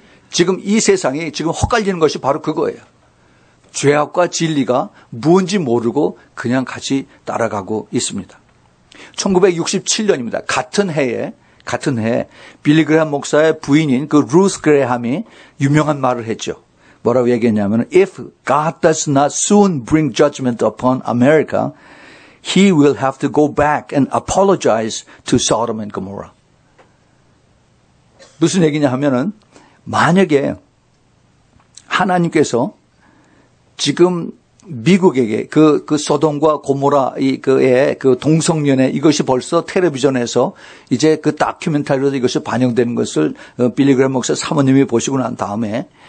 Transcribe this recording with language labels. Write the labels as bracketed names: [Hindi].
[Korean] 지금 이 세상이 지금 헛갈리는 것이 바로 그거예요. 죄악과 진리가 뭔지 모르고 그냥 같이 따라가고 있습니다. 1967년입니다. 같은 해에 빌리 그레함 목사의 부인인 그 루스 그레함이 유명한 말을 했죠. 뭐라고 얘기했냐면 [English] If God does not soon bring judgment upon America, he will have to go back and apologize to Sodom and Gomorrah. [Korean] 무슨 얘기냐 하면은 만약에 하나님께서 지금 미국에게 그 소돔과 고모라 그 동성연애 이것이 벌써 텔레비전에서 이제 그 다큐멘터리로 이것이 반영되는 것을 빌리 그레함 목사 사모님이 보시고 난 다음에